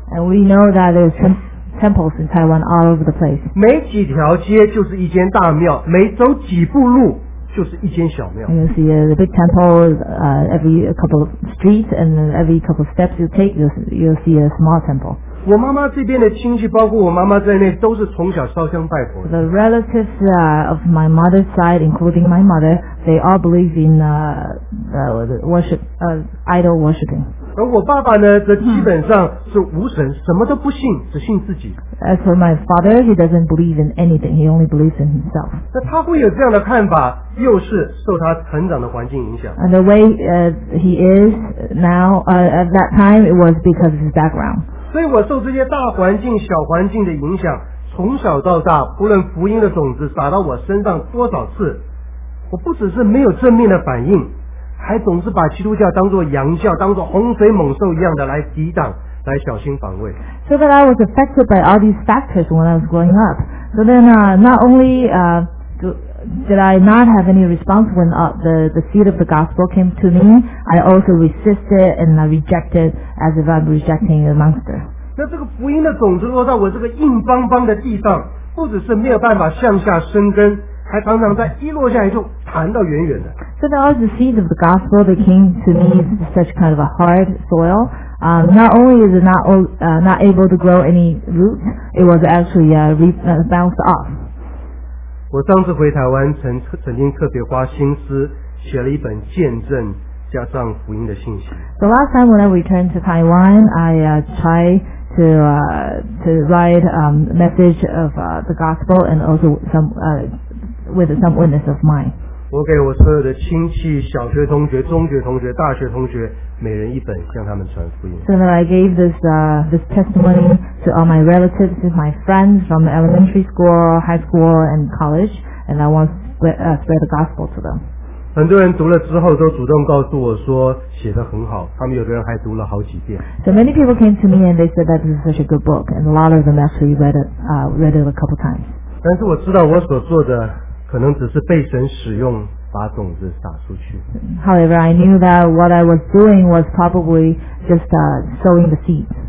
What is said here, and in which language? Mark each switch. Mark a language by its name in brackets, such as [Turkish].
[English] And we know that there's temples in Taiwan all over the place. [Chinese] 每几条街就是一间大庙，每走几步路。就是一间小庙。 [English] You see the big temple, every couple of streets, and every couple of steps you take, you'll see a small temple. [Chinese] 我妈妈这边的亲戚，包括我妈妈在内，都是从小烧香拜佛的。 [English] The relatives, of my mother's side, including my mother, they all believe in, worship, idol worshiping. [Chinese] 而我爸爸呢，则基本上是无神，什么都不信，只信自己。 [English] As for my father, he doesn't believe in anything. He only believes in himself. [Chinese] 那他会有这样的看法？又是受他成长的环境影响。 [English] And the way he is now, at that time, it was because of his background. [Chinese] 所以我受这些大环境、小环境的影响，从小到大，不论福音的种子撒到我身上多少次，我不只是没有正面的反应，还总是把基督教当作洋教，当作洪水猛兽一样的来抵挡，来小心防卫。 [English] So that I was affected by all these factors when I was growing up. So then, not only, did I not have any response when the seed of the gospel came to me, I also resisted and I rejected as if I'm rejecting the monster. [Chinese] 那这个福音的种子落到我这个硬邦邦的地上，不只是没有办法向下生根，还常常在一落下来就弹到远远的。 [English] So then all the seeds of the gospel that came to me is such kind of a hard soil. Not only is it not able to grow any roots, it was actually bounced off. [Chinese] 我上次回台湾曾经特别花心思写了一本见证加上福音的信息。 [English] The last time when I returned to Taiwan, I tried to write a message of the gospel and also with some witness of mine. [Chinese] 我给我所有的亲戚、小学同学、中学同学、大学同学每人一本，向他们传福音。 [English] So then I gave this testimony to all my relatives, to my friends from elementary school, high school, and college, and I want to spread the gospel to them. [Chinese] 很多人读了之后都主动告诉我说写得很好，他们有的人还读了好几遍。 [English] So many people came to me and they said that this is such a good book, and a lot of them actually read it a couple times. [Chinese] 但是我知道我所做的可能只是被神使用。把种子撒出去。 [English] However, I knew that what I was doing was probably just sowing the seed.